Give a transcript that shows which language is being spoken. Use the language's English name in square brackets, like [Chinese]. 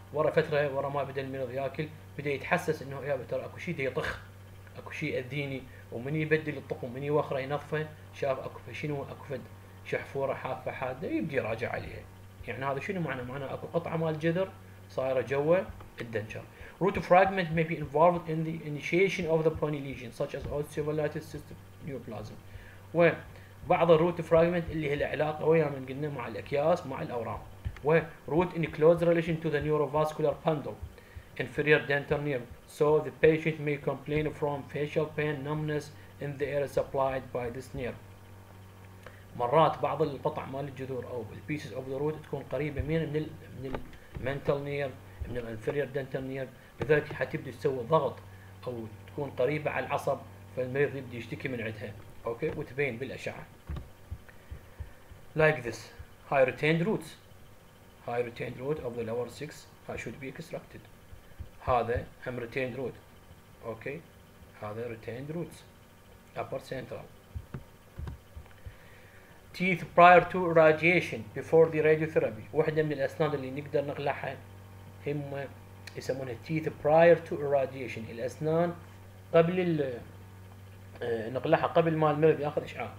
[Arabic] ورا فترة ورا ما بدأ المريض ياكل بدأ يتحسس إنه يا ترى أكو شيء ده يطخ، أكو شيء يأذيني، ومن يبدل الطقم من يوخره ينفه شاف أكو شنو، أكو فد شحفورة حافة حادة، يبدي يراجع عليها. يعني هذا شنو معناه؟ معناه اكو قطعه مال الجذر صايره جوا الدنشر. [English] Root fragment may be involved in the initiation of the bony lesion such as osteomyelitis, cystic neoplasm. [Arabic] وبعض الروت فراجمنت اللي هي العلاقه ويا من قلنا مع الاكياس مع الاورام. [English] وروت in close relation to the neurovascular bundle inferior dental nerve. So the patient may complain from facial pain, numbness in the area supplied by this nerve. [Arabic] مرات بعض القطع مال الجذور او [English] pieces of the root [Arabic] تكون قريبه من المنتال نيرف من الانفيرير دنتال نيرف، لذلك حتبدي تسوي ضغط او تكون قريبه على العصب فالمريض يبدي يشتكي من عندها. اوكي وتبين بالاشعه. [English] Like this high retained roots. High retained root of the lower six should be extracted. [Arabic] هذا هم [English] retained root. Okay هذا retained roots upper central. Teeth prior to radiation before the radiotherapy. [Arabic] واحدة من الأسنان اللي نقدر نقلعها هم يسمونها [English] teeth prior to irradiation. [Arabic] الأسنان قبل نقلعها قبل ما المريض ياخذ اشعاع.